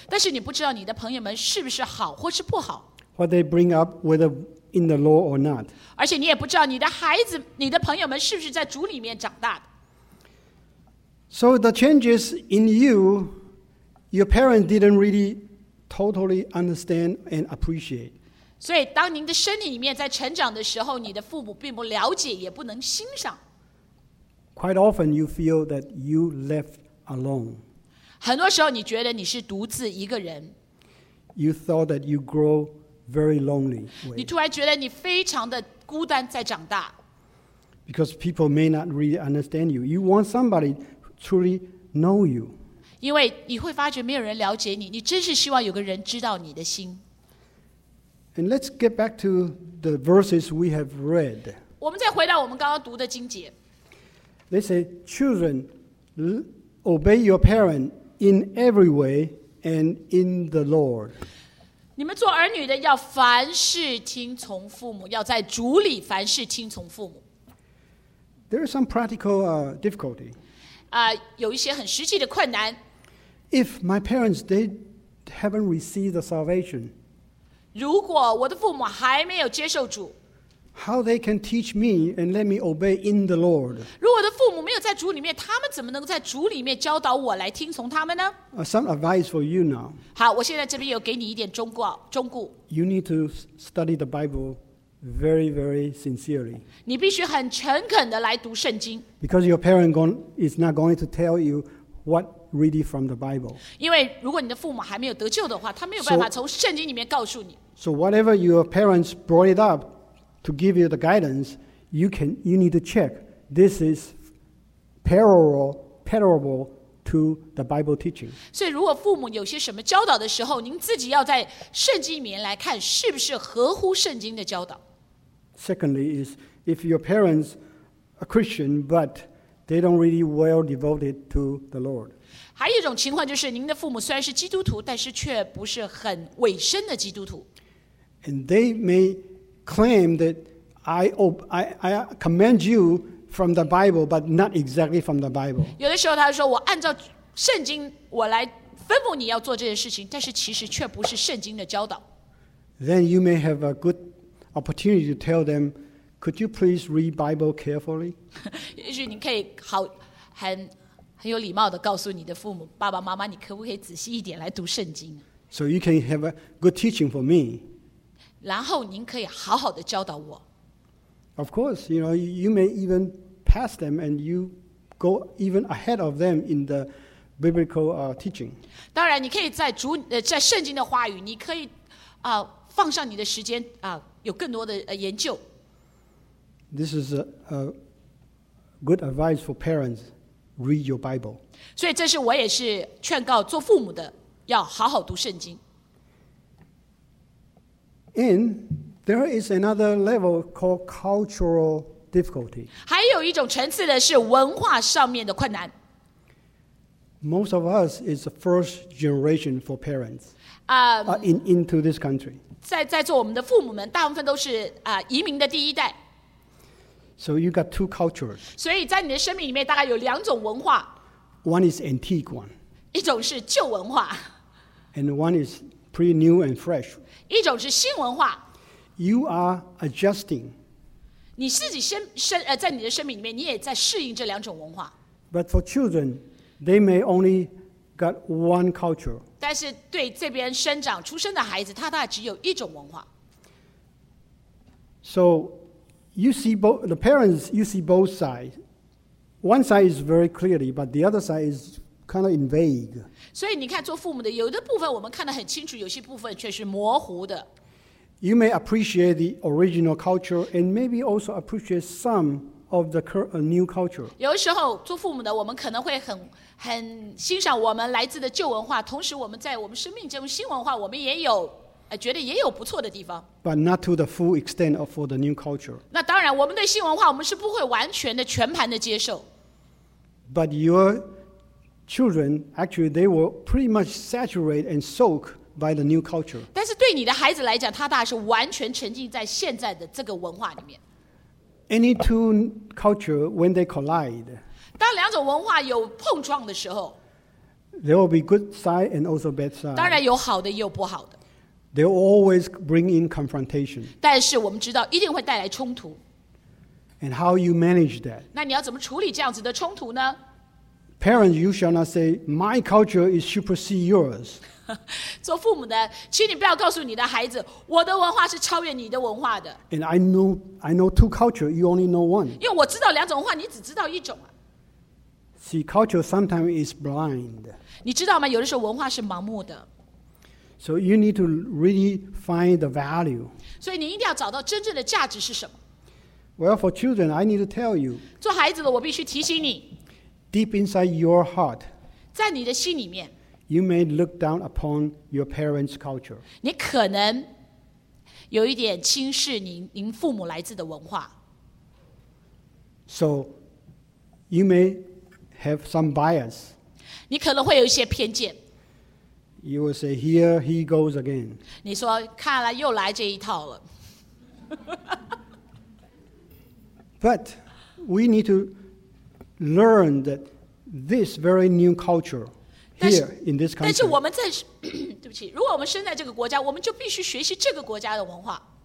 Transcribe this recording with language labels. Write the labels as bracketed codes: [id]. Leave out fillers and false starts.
[zh] 但是你不知道你的朋友们是不是好或是不好。 [en] What they bring up, whether in the law or not. [zh] 而且你也不知道你的孩子、你的朋友们是不是在主里面长大的。 [en] So the changes in you, your parents didn't really totally understand and appreciate. [zh] 所以当您的身体里面在成长的时候，你的父母并不了解也不能欣赏。 [en] Quite often you feel that you left alone. [zh] 很多时候你觉得你是独自一个人。 [en] You thought that you grow very lonely. [zh] 你突然觉得你非常的孤单在长大。 [en] Because people may not really understand you. You want somebody truly know you. [zh] 因为你会发觉没有人了解你，你真是希望有个人知道你的心。 [en] And let's get back to the verses we have read. [zh] 我们再回到我们刚刚读的经节。 [en] They say, children, obey your parents in every way and in the Lord. [zh] 你们做儿女的要凡事听从父母，要在主里凡事听从父母。 [en] There is some practical difficulty. [zh] 有一些很实际的困难。 [en] If my parents, they haven't received the salvation, [zh] 如果我的父母还没有接受主 [en] How they can teach me and let me obey in the Lord [zh] 如果我的父母没有在主里面他们怎么能在主里面教导我来听从他们呢 [en] Some advice for you now [zh] 好我现在这边有给你一点忠告 [en] You need to study the Bible very very sincerely [zh] 你必须很诚恳的来读圣经 [en] Because your parent is not going to tell you whatready from the Bible. [zh] 因为如果你的父母还没有得救的话，他没有办法从圣经里面告诉你。 [en] So whatever your parents brought it up to give you the guidance, you need to check. This is parable to the Bible teaching. [zh] 所以如果父母有些什么教导的时候，您自己要在圣经里面来看是不是合乎圣经的教导。 [en] Secondly is if your parents are Christian but they don't really well devoted to the Lord. [zh] 还有一种情况就是您的父母虽然是基督徒，但是却不是很委身的基督徒。 [en] And they may claim that I commend you from the Bible, but not exactly from the Bible. [zh] 有的时候他说我按照圣经我来吩咐你要做这件事情，但是其实却不是圣经的教导。 [en] Then you may have a good opportunity to tell them, could you please read Bible carefully? [zh] 也许你可以很有礼貌的告诉你的父母，爸爸妈妈，你可不可以仔细一点来读圣经？ [en] So you can have a good teaching for me. [zh] 然后您可以好好的教导我。 [en] Of course, you know, you may even pass them and you go even ahead of them in the biblical teaching. [zh] 当然你可以在主在圣经的话语你可以放上你的时间有更多的研究。 [en] This is a good advice for parents. Read your Bible. [zh] 所以这是我也是劝告做父母的要好好读圣经。 [en] And there is another level called cultural difficulty. [zh] 还有一种层次的是文化上面的困难。 [en] Most of us is the first generation for parents into this country. [zh] 在座我们的父母们大部分都是移民的第一代。 [en] So you got two cultures. [zh] 所以在你的生命里面大概有两种文化。 [en] One is antique one. [zh] 一种是旧文化。 [en] And one is pretty new and fresh. [zh] 一种是新文化。 [en] You are adjusting. [zh] 你自己在你的生命里面你也在适应这两种文化。 [en] But for children, they may only got one culture. [zh] 但是对这边生长出生的孩子他大概只有一种文化。 [en] So you see the parents, you see both sides. One side is very clearly, but the other side is kind of in vague. [zh] 所以你看做父母的有的部分我们看得很清楚，有些部分却是模糊的。 [en] You may appreciate the original culture and maybe also appreciate some of the new culture. [zh] 有时候做父母的我们可能会很欣赏我们来自的旧文化，同时我们在我们生命中新文化我们也有觉得也有不错的地方。 [en] But not to the full extent of for the new culture. [zh] 那当然我们对新文化我们是不会完全的全盘的接受。 [en] But your children, actually they were pretty much saturated and soaked by the new culture. [zh] 但是对你的孩子来讲他大概是完全沉浸在现在的这个文化里面。 [en] Any two culture, when they collide, [zh] 当两种文化有碰撞的时候 [en] there will be good side and also bad side. [zh] 当然有好的也有不好的。 [en] They will always bring in confrontation. [zh] 但是我们知道一定会带来冲突。 [en] And how you manage that? [zh] 那你要怎么处理这样子的冲突呢？ [en] Parents, you shall not say, my culture is supersede yours. [zh] 做父母的，请你不要告诉你的孩子，我的文化是超越你的文化的。 [en] And I know two cultures, you only know one. [zh] 因为我知道两种文化，你只知道一种。 [en] See, culture sometimes is blind. [zh] 你知道吗？有的时候文化是盲目的。 [en] So you need to really find the value. [zh] 所以你一定要找到真正的价值是什么。 [en] Well, for children, I need to tell you. [zh] 做孩子的，我必须提醒你。 [en] Deep inside your heart, [zh] 在你的心里面 [en] you may look down upon your parents' culture. [zh] 你可能有一点轻视您父母来自的文化。 [en] So you may have some bias. [zh] 你可能会有一些偏见。 [en] You will say, here he goes again. [zh] 你说看来又来这一套了。 [en] But we need to learn that this very new culture here in this country. [zh] 但是我们在对不起，如果我们生在这个国家，我们就必须学习这个国家的文化。